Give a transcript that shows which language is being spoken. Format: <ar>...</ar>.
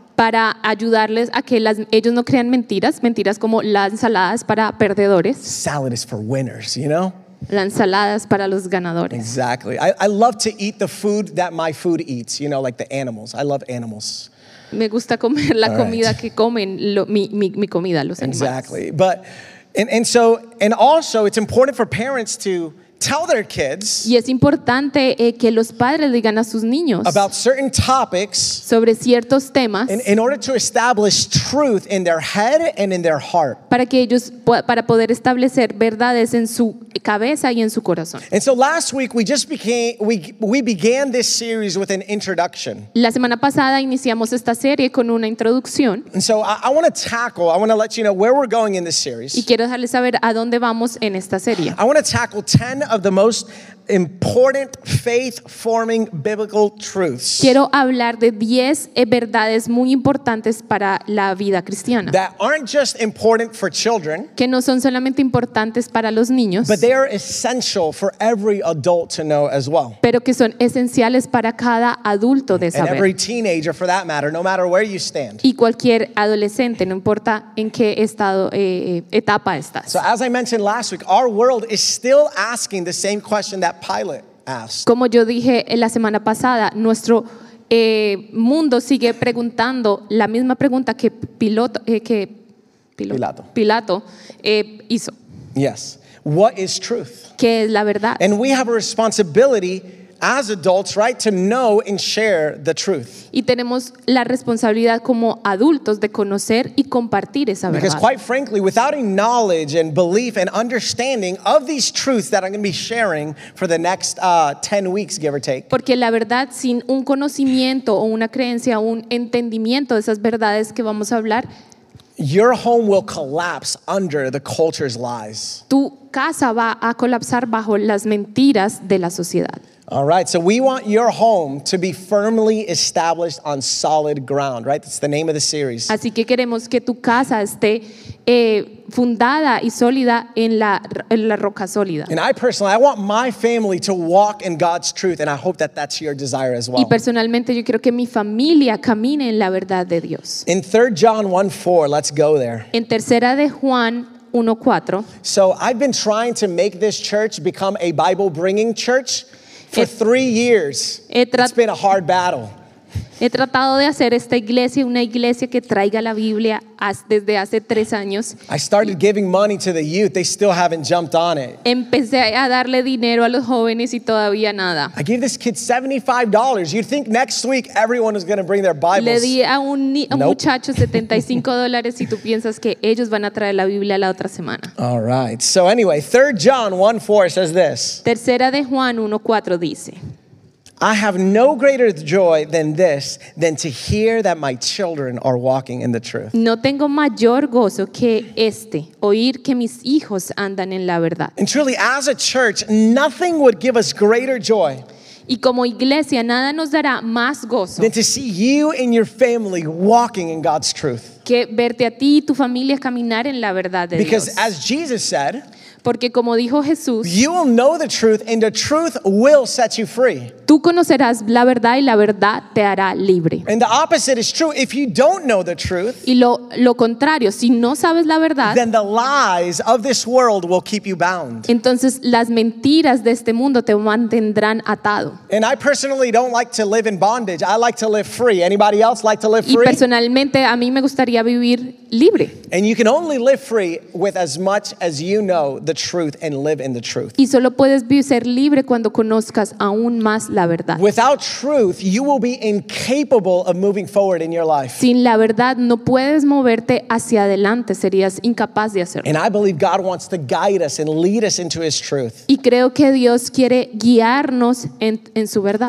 <es>Para ayudarles a que ellos no crean mentiras, mentiras como la ensalada es para perdedores.</es> <en>Salad is for winners, you know?</en> <es>La ensalada es para los ganadores.</es> <en>Exactly. I love to eat the food that my food eats, you know, like the animals. I love animals.</en> <es>Me gusta comer la comida que comen mi comida, los animales.</es> <en>Exactly. But and also it's important for parents to tell their kids.</en> <es>Y es importante que los padres digan a sus niños</es> <en>about certain topics.</en> <es>Sobre ciertos temas.</es> <en>In order to establish truth in their head and in their heart.</en> <es>Para que ellos para poder establecer verdades en su cabeza y en su corazón.</es> <en>And so last week we began this series with an introduction.</en> <es>La semana pasada iniciamos esta serie con una introducción.</es> <en>And so I want to let you know where we're going in this series.</en> <es>Y quiero dejarles saber a dónde vamos en esta serie.</es> <en>I want to tackle 10 of the most important faith-forming biblical truths.</en> <es>Quiero hablar de 10 verdades muy importantes para la vida cristiana.</es> <en>That aren't just important for children.</en> <es>Que no son solamente importantes para los niños.</es> <en>But they are essential for every adult to know as well.</en> <es>Pero que son esenciales para cada adulto de saber.</es> <en>And every teenager, for that matter, no matter where you stand.</en> <es>Y cualquier adolescente, no importa en qué estado etapa estás.</es> <en>So as I mentioned last week, our world is still asking the same question that Pilate asked.</en> <es>Como yo dije la semana pasada, nuestro mundo sigue preguntando la misma pregunta que Pilato hizo.</es> <en>Yes. What is truth?</en> <es>¿Qué es la verdad?</es> <en>And we have a responsibility as adults, right, to know and share the truth.</en> <es>Y tenemos la responsabilidad como adultos de conocer y compartir esa verdad.</es> <en>Because quite frankly, without a knowledge and belief and understanding of these truths that I'm going to be sharing for the next 10 weeks, give or take.</en> <es>Porque la verdad, sin un conocimiento o una creencia, un entendimiento de esas verdades que vamos a hablar,</es> <en>your home will collapse under the culture's lies.</en> <es>Tu casa va a colapsar bajo las mentiras de la sociedad.</es> <en>All right, so we want your home to be firmly established on solid ground, right? That's the name of the series.</en> <es>Así que queremos que tu casa esté fundada y sólida en la roca sólida.</es> <en>And I personally, I want my family to walk in God's truth, and I hope that that's your desire as well.</en> <es>Y personalmente yo quiero que mi familia camine en la verdad de Dios.</es> <en>In 3 John 1:4, let's go there.</en> <es>En tercera de Juan 1:4.</es> <en>So I've been trying to make this church become a Bible-bringing church. For 3 years, it's been a hard battle.</en> <es>He tratado de hacer esta iglesia una iglesia que traiga la Biblia desde hace 3 años.</es> <en>I started giving money to the youth. They still haven't jumped on it.</en> <es>Empecé a darle dinero a los jóvenes y todavía nada.</es> <en>I gave this kid $75. You'd think next week everyone is going to bring their Bibles.</en> <es>Le di a un muchacho $75 y tú piensas que ellos van a traer la Biblia la otra semana.</es> <en>All right. So anyway, 3 John 1:4 says this.</en> <es>Tercera de Juan 1:4 dice:</es> <en>I have no greater joy than this, than to hear that my children are walking in the truth.</en> <es>No tengo mayor gozo que este, oír que mis hijos andan en la verdad.</es> <en>And truly, as a church, nothing would give us greater joy.</en> <es>Y como iglesia, nada nos dará más gozo.</es> <en>Than to see you and your family walking in God's truth.</en> <es>Que verte a ti y tu familia caminar en la verdad de Dios.</es> <en>Because as Jesus said,</en> <es>porque como dijo Jesús,</es> <en>you will know the truth and the truth will set you free.</en> <es>Tú conocerás la verdad y la verdad te hará libre.</es> <en>And the opposite is true. If you don't know the truth,</en> <es>y lo contrario, si no sabes la verdad,</es> <en>then the lies of this world will keep you bound.</en> <es>Entonces las mentiras de este mundo te mantendrán atado.</es> <en>And I personally don't like to live in bondage. I like to live free. Anybody else like to live free?</en> <es>Y personalmente a mí me gustaría vivir libre.</es> <en>And you can only live free with as much as you know the truth and live in the truth.</en> <es>Y solo puedes vivir ser libre cuando conozcas aún más la verdad.</es> <en>Without truth, you will be incapable of moving forward in your life.</en> <es>Sin la verdad no puedes moverte hacia adelante, serías incapaz de hacerlo.</es> <en>And I believe God wants to guide us and lead us into his truth.</en> <es>Y creo que Dios quiere guiarnos en su verdad.</es>